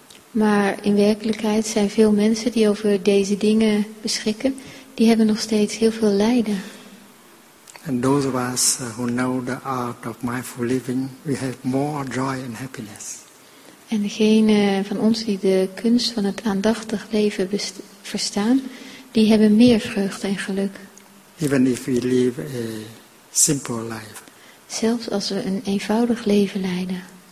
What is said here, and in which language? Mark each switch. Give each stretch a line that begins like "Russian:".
Dutch: Maar in werkelijkheid zijn veel mensen die over deze dingen beschikken, die hebben nog steeds heel veel lijden.
English: And those of us who know the art of mindful living, we have more joy and happiness.
Dutch: En degene van ons die de kunst van het aandachtig leven verstaan, die hebben meer vreugde en geluk.
English: Even if we live a simple life.
Dutch: Zelfs als we een eenvoudig leven leiden.